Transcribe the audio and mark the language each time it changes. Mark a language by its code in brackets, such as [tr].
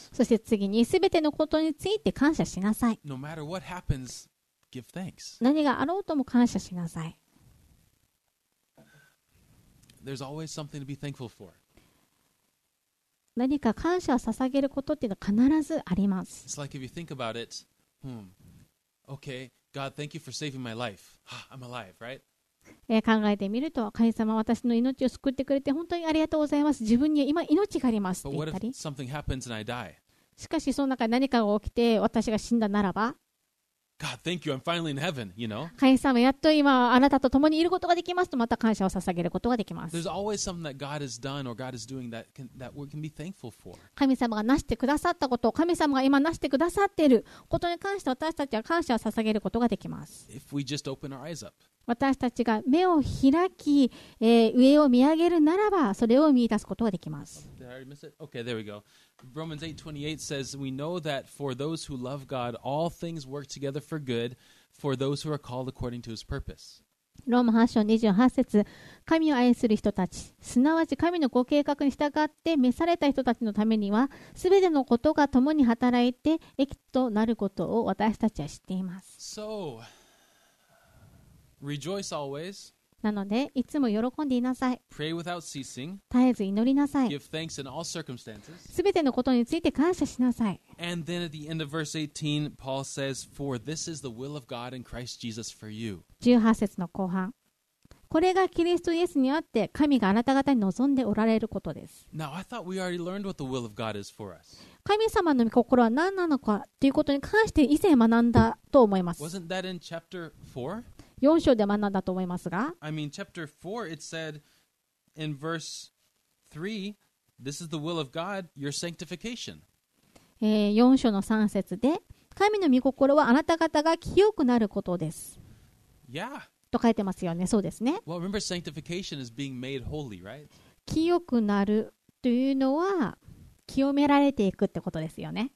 [ja] そして次に、すべてのことについて感謝しなさい。 [en] No matter what happens, give thanks. [ja] 何があろうとも感謝しなさい。 [en] There's always something to be thankful for. [ja] 何か感謝を捧げることっていうのは必ずあります。 [en] It's like if you think about it, okay. God, thank you for saving my life. I'm alive, right? [ja] 考えてみると、神様私の命を救ってくれて本当にありがとうございます。自分には今命がありますって言ったり。 [en] But what if something happens and I die? [ja] しかしその中で何かが起きて私が死んだならば。 [en] God, thank you. I'm finally in heaven. You know. [ja] 神様やっと今あなたと共にいることができますと、また感謝を捧げることができます。 [en] There's always something that God has done or God is doing that we can be thankful for. [ja] 神様がなしてくださったこと、神様が今なしてくださっていることに関して私たちは感謝を捧げることができます。 [en] If we just open our eyes up. [ja] 私たちが目を開き、上を見上げるならば、それを見出すことができます。 [en] Did I already miss it? Okay, there we go. Romans 8:28 says, We know that for those who love God, all things work together for good for those who are called according to His purpose. [ja] ローマ8章28節、神を愛する人たち、すなわち神のご計画に従って召された人たちのためには、すべてのことが共に働いて益となることを私たちは知っています。 [en] So, rejoice always. [ja] なのでいつも喜んでいなさい。 [en] Pray without ceasing. [ja] 絶えず祈りなさい。 [en] Give thanks in all circumstances. [ja] すべてのことについて感謝しなさい。 [en] And then at the end of verse 18, Paul says, For this is the will of God in Christ Jesus for you. [ja] 18節の後半、これがキリストイエスにあって神があなた方に望んでおられることです。 [en] Now I thought we already learned what the will of God is for us. [ja] 神様の御心は何なのかということに関して以前学んだと思います。 [en] Wasn't that in chapter 4? [ja] 4章で学んだと思いますが、 [en] I mean, chapter 4, it said in verse 3, this is the will of God, your sanctification. [ja] 4章の3節で、神の御心はあなた方が清くなることです。 [en] Yeah. [ja] と書いてますよね。そうですね。 [en] Well, remember, sanctification is being made holy, right? [ja] 清くなるというのは、清められていくってことですよね。